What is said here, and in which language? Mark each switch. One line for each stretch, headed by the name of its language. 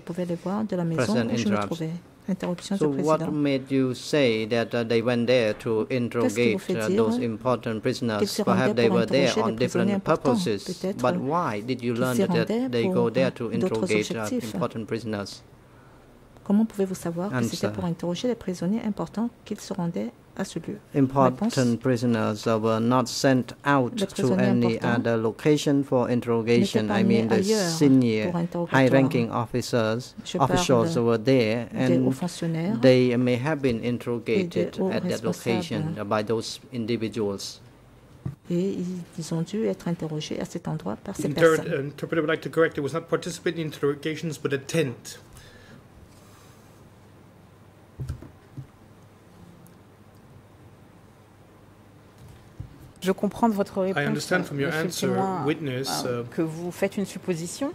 English: President interrupts. So what made you say that they went there to interrogate those important prisoners? Perhaps they were there on different purposes. But why did you learn that they go there to interrogate important prisoners?
French: Comment pouvez-vous savoir que c'était pour interroger les prisonniers importants qu'ils se rendaient à ce lieu?
English: Important prisoners were not sent out to any other location for interrogation. I mean, the senior, high-ranking officials were there, and they may have been interrogated at that location by those individuals.
French: Et ils ont dû être interrogés à cet endroit par ces personnes.
English: Interpreter would like to correct. It was not participating in interrogations, but a tent.
French: Je comprends votre réponse.
English: I understand from your answer, witness,
French: que vous faites une supposition.